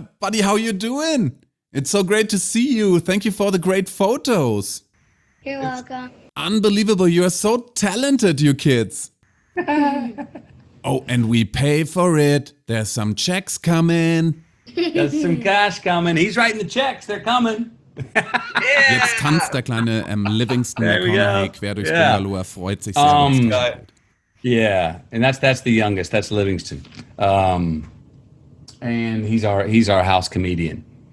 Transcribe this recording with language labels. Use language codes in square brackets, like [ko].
[en] Buddy, how you doing? It's so great to see you. Thank you for the great photos. You're welcome. Unbelievable. You are so talented, you kids. Oh, and we pay for it. There's some checks coming. There's some cash coming. He's writing the checks. They're coming. Yeah. [de] Jetzt tanzt der kleine Livingston McConaughey quer durch Bengaluru. Freut sich sehr. [en] Yeah, and that's the youngest. That's Livingston. And he's our house comedian.